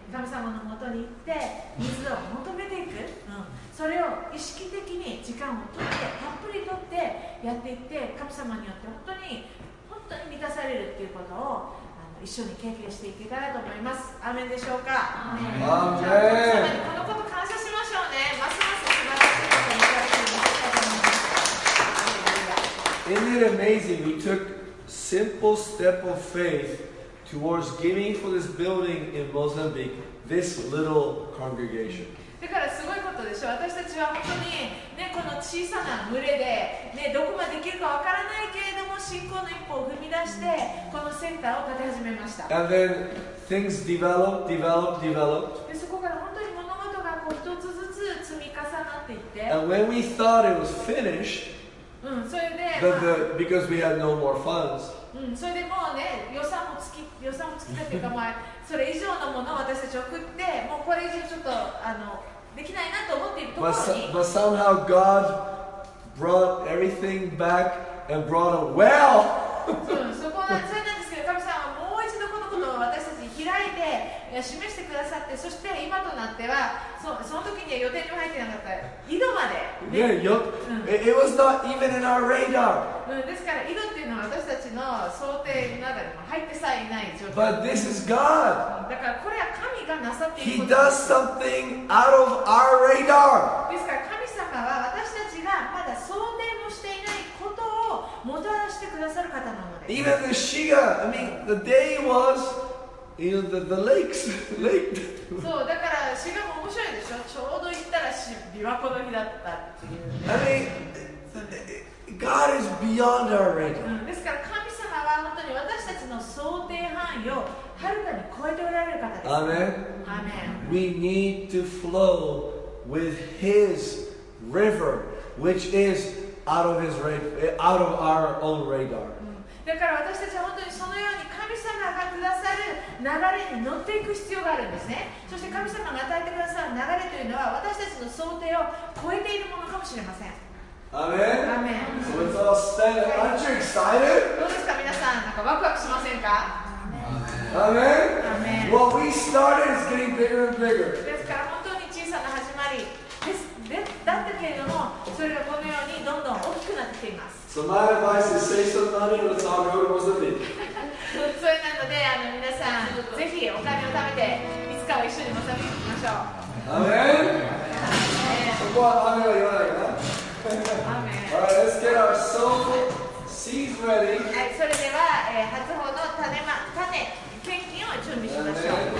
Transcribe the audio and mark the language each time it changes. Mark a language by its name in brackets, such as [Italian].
[Japanese] 神様の元に行って水を求めていく、うん、それを意識的に時間を取ってたっぷり取ってやっていって、神様によって本当に満たされるっていうことを一緒に経験していけたらと思います。アーメンでしょうか。アーメン。神様にこのこと感謝しましょうね。ますます素晴らしいことを願っていきたいと思います [English] 。 Isn't it amazing? We took simple step of faithtowards giving for this building in Mozambique, this little congregation. [Japanese] だからすごいことでしょ。私たちは本当に、ね、この小さな群れで、ね、どこまでできるかわからないけれども信仰の一歩を踏み出してこのセンターを建て始めました。 [English] And then things developed, developed, developed. [Japanese] でそこから本当に物事がこう一つずつ積み重なっていって。 [English] And when we thought it was finished,because we had no more funds. [Japanese] うん、それでもうね、予算も尽きたというか、まあ、それ以上のものを私たち送って、もうこれ以上ちょっとできないなと思っているところに、 [English] But somehow God brought everything back and brought a well! [Japanese] それなんですけど、神様はもう一度このことを私たちに開いて、示してくださって、そして今となっては、その時には予定にも入ってなかった。井戸まで。 [English] ね、yeah, よ、うん、It was not even in our radar!、 [Japanese] うん、ですから井戸っていうのは私たちの想定の中でも入ってさえいない状況。 [English] But this is God! [Japanese] だからこれは神がなさっていること。 [English] He does something out of our radar! [Japanese] ですから神様は私たちがまだ想定もしていないことをもたらしてくださる方なので。 [English] Even the Shiga, I mean, the day was... You know, the lakes, lake. [Japanese] そうだから滋賀も面白いでしょ。ちょうど行ったら琵琶湖の日だったっていう。 [English] I mean, God is beyond our radar. [Japanese] ですから神様は本当に私たちの想定範囲をはるかに超えておられる方です。 [English] Amen. Amen. We need to flow with His river, which is out of His radar, out of our own radar. [Japanese] だから私たちは本当にそのように神様がくださる流れに乗っていく必要があるんですね。そして神様が与えてくださる流れというのは私たちの想定を超えているものかもしれません。アメン。アメン。 [English] So let's all stand up. Aren't you excited? [Japanese] どうですか皆さん、なんかワクワクしませんか？アメン。 [English] What we started is getting bigger and bigger. [Japanese] ですから本当に小さな始まりです。だったけれども、それがこのようにどんどん大きくなってきています。 [English] So my advice is say something about it and it's all good, wasn't it? [Japanese] それなので、皆さん、ぜひお金を貯めて、いつかは一緒にモザビークに行きましょう。アメン。そこは雨は言わないな。アメン。 [English] All right, let's get our soul seeds ready. [Japanese] はい、それでは、初穂の種献金を準備しましょう。